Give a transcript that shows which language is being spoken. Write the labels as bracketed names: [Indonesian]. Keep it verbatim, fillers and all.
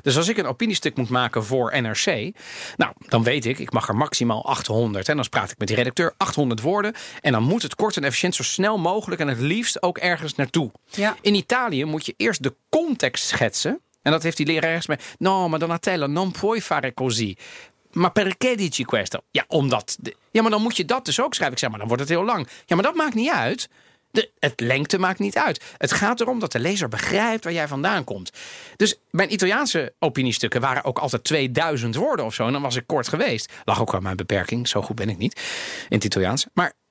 [Dutch] Dus als ik een opiniestuk moet maken voor N R C... nou, dan weet ik, ik mag er maximaal achthonderd. En dan praat ik met die redacteur, achthonderd woorden. En dan moet het kort en efficiënt zo snel mogelijk... en het liefst ook ergens naartoe. Ja. In Italië moet je eerst de context schetsen. En dat heeft die leraar ergens mee... [Italian] No, ma Donatella, non puoi fare così... Maar perché dici questo? [Dutch] Ja, omdat... De, ja, maar dan moet je dat dus ook schrijven. Ik zeg, maar dan wordt het heel lang. Ja, maar dat maakt niet uit. De, het lengte maakt niet uit. Het gaat erom dat de lezer begrijpt waar jij vandaan komt. Dus mijn Italiaanse opiniestukken waren ook altijd tweeduizend woorden of zo. En dan was ik kort geweest. Lag ook wel mijn beperking. Zo goed ben ik niet in het Italiaans. Maar...